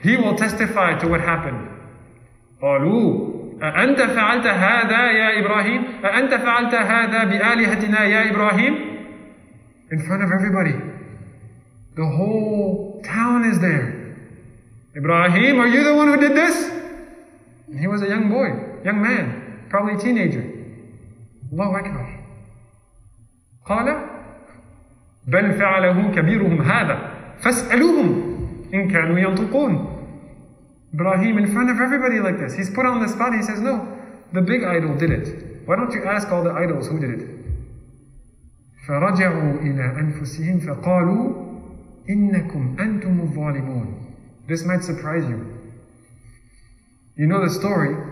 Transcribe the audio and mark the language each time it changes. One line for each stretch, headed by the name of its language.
English: He will testify to what happened.
Arabic: قَالُوا أَأَنْتَ فَعَلْتَ هَذَا يَا إِبْرَاهِيمُ أَأَنْتَ فَعَلْتَ هَذَا بِآلِهَتِنَا يَا إِبْرَاهِيمُ
English: In front of everybody. The whole town is there. Ibrahim, are you the one who did this? And he was a young boy, young man, probably a teenager.
Arabic: الله أكبر قال بل فعله كبيرهم هذا فاسألوهم إن كانوا ينطقون.
English: Ibrahim in front of everybody like this. He's put on the spot. He says, no, the big idol did it. Why don't you ask all the idols who did it?
Arabic: فَرَجَعُوا إِلَىٰ أَنفُسِهِمْ فَقَالُوا إِنَّكُمْ أَنْتُمُ الظَّالِمُونَ.
English: This might surprise you. You know the story.